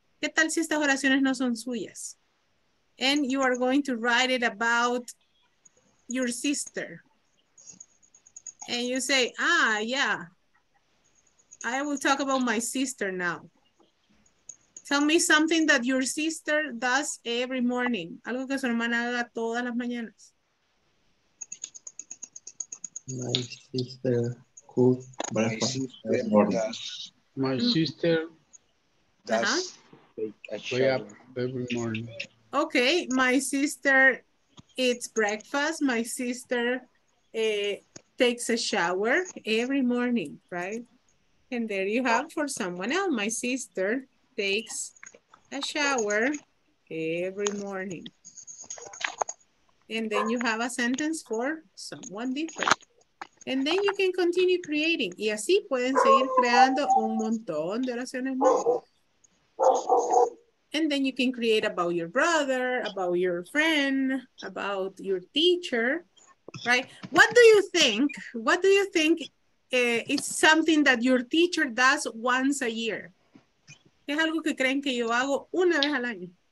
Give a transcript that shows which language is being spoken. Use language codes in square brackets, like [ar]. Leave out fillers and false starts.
[es] ¿Qué tal si estas oraciones no son suyas? [en] And you are going to write it about your sister. And you say, ah, yeah. I will talk about my sister now. Tell me something that your sister does every morning. [es] Algo que su hermana haga todas las mañanas. [en] My sister cook breakfast. My sister does wake up every morning. Okay, my sister eats breakfast. My sister takes a shower every morning, right? And there you have for someone else. My sister takes a shower every morning. And then you have a sentence for someone different. And then you can continue creating. [es] Y así pueden seguir creando un montón de oraciones más. [en] And then you can create about your brother, about your friend, about your teacher, right? What do you think? What do you think is something that your teacher does once a year? [es] ¿Es algo que creen que yo hago una vez al año?